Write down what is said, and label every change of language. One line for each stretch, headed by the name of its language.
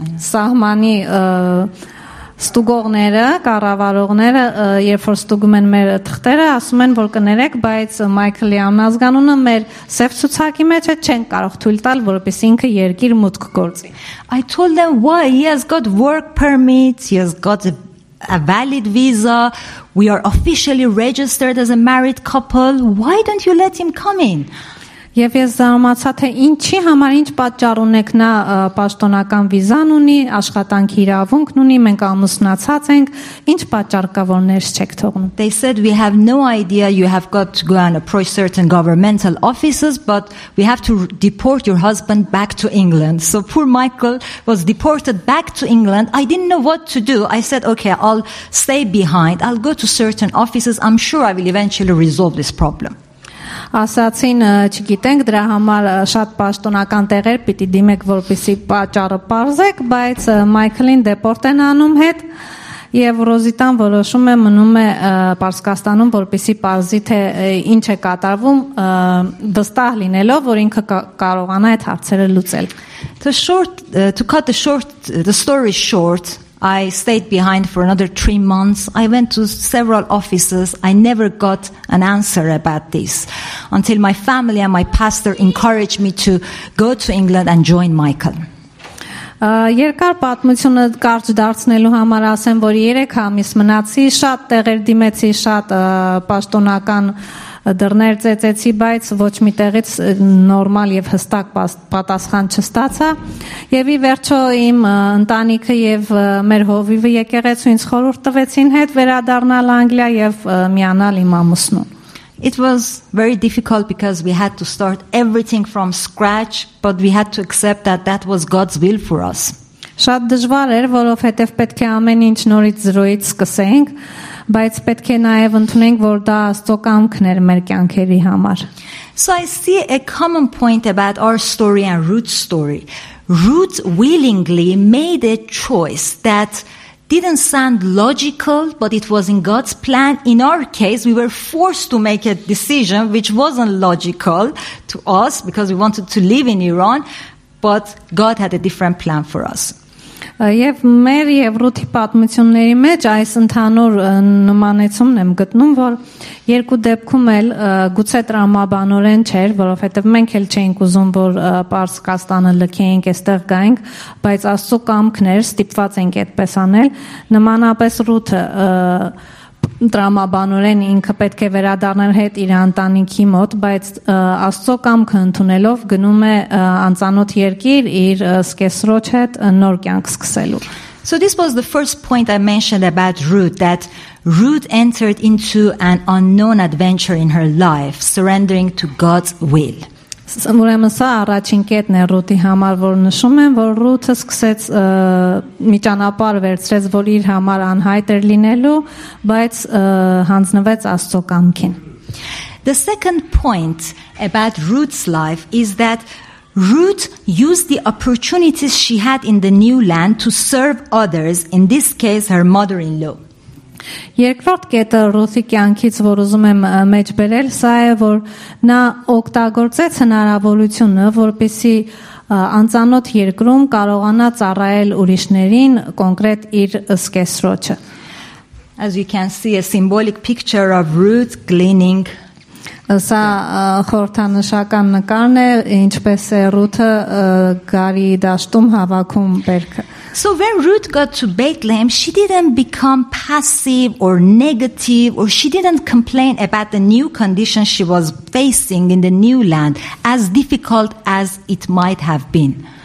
Armenian: սահմանի ստուգողները, կառավարողները, երբ որ ստուգում են մեր թղթերը, ասում են, որ կներեք, բայց Մայքլի անազգանունը մեր սև ցուցակի մեջ է, չեն կարող թույլ տալ, որպեսզի ինքը երկիր մուտք գործի.
English: I told them why he has got work permits, he has got a valid visa, we are officially registered as a married couple, why don't you let him come in?
Armenian: Եվ ես զարմացա թե ինչի համար ինչ պատճառ ունեք նա պաշտոնական վիզան ունի, աշխատանքի իրավունք ունի, մենք ամուսնացած ենք, ինչ պատճառ կա որ ներս չեք թողնում։
English: They said we have no idea you have got to go and approach certain governmental offices but we have to deport your husband back to England. So poor Michael was deported back to England. I didn't know what to do. I said okay, I'll stay behind. I'll go to certain offices. I'm sure I will eventually resolve this problem.
Armenian: ասացին, չգիտենք, դրա համար շատ պաշտոնական տեղեր պիտի դիմեք, որպեսզի պատճառը պարզեք, բայց Մայքլին դեպորտ են անում հետ, եւ Ռոզիտան որոշում է մնում է Պարսկաստանում, որպեսզի պարզի թե ինչ է կատարվում, վստահ լինելով, որ ինքը կարողանա այդ հարցերը լուծել.
English: To cut the story short, I stayed behind for another 3 months. I went to several offices. I never got an answer about this until my family and my pastor encouraged me to go to England and join Michael.
Armenian: Երկար պատմությունը կարճ դարձնելու համար ասեմ, որ 3 ամիս մնացի, շատ տեղեր դիմեցի, շատ պաշտոնական դռներ ծեծեցի, բայց ոչ մի տեղից նորմալ եւ հստակ պատասխան չստացա։ Եվ ի վերջո իմ ընտանիքը եւ մեր հովիվը եկեղեցու ինձ խորհուրդ տվեցին հետ վերադառնալ Անգլիա եւ միանալ իմ ամուսնուն։
English: It was very difficult because we had to start everything from scratch, but we had to accept that that was God's will for us.
Armenian: Շատ դժվար էր, որովհետեւ պետք է ամեն ինչ նորից զրոյից սկսենք, բայց պետք է նաև ընդունենք, որ դա Աստծո կամքն էր մեր կյանքերի համար։
English: So I see a common point about our story and Ruth's story. Ruth willingly made a choice that didn't sound logical, but it was in God's plan. In our case, we were forced to make a decision which wasn't logical to us because we wanted to live in Iran, but God had a different plan for us.
Armenian: Եվ մեր եւ Ռութի պատմությունների մեջ այս ընդհանուր նմանեցումն եմ գտնում, որ երկու դեպքում էլ գուցե տրամաբանորեն չէր, որովհետեւ մենք էլ չէինք ուզում, որ Պարսկաստանը լքեինք, այստեղ գայինք, բայց Աստծո կամքն էր, ստիպված ենք այդպես անել, նմանապես Ռութը տրամաբանորեն ինքը պետք է վերադառնար հետ իր ընտանիքի մոտ, բայց Աստծո կամքը ընդունելով գնում է անծանոթ երկիր իր սկեսրոջ հետ նոր կյանք սկսելու։
English: So this was the first point I mentioned about Ruth, that Ruth entered into an unknown adventure in her life, surrendering to God's will.
Armenian: Ուրեմն սա առաջին կետն է Ռութի համար, որ նշում եմ, որ Ռութը սկսեց մի ճանապարհ վերցրեց, որ իր համար անհայտ էր լինելու, բայց հանձնվեց Աստծո կամքին։
English: The second point about Ruth's life is that Ruth used the opportunities she had in the new land to serve others, in this case her mother-in-law.
Armenian: Երկրորդ կետը Ռութի կյանքից, որ ուզում եմ մեջ բերել, սա է, որ նա օգտագործեց հնարավորությունը, որպեսի անծանոթ երկրում կարողանա ծառայել ուրիշներին, կոնկրետ իր սկեսրոջը։
English: As you can see, a symbolic picture of Ruth gleaning.
Armenian: Սա խորհրդանշական նկարն է, ինչպես է Ռութը գարի դաշտում հավաքում բերքը։
English: So when Ruth got to Bethlehem, she didn't become passive or negative, or she didn't complain about the new conditions she was facing in the new land, as difficult as it might have been.